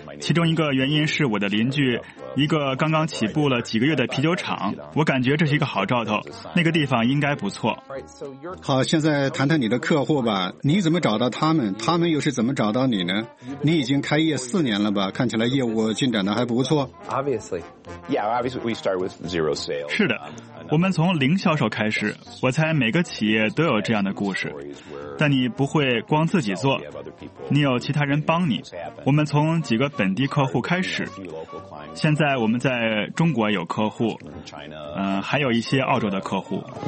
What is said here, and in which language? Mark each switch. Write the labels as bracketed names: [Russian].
[Chinese] 其中一个原因是我的邻居一个刚刚起步了几个月的啤酒厂，我感觉这是一个好兆头，那个地方应该不错。好，现在谈谈你的客户吧，你怎么找到他们，他们又是怎么找到你呢？你已经开业四年了吧，看起来业务进展的还不错。 [English] Obviously, we start with zero sale。 [Chinese] 是的，我们从零销售开始，我猜每个企业都有这样的故事，但你不会光自己做，你有其他人帮你。我们从几个本地客户开始，现在我们在中国有客户，还有一些澳洲的客户。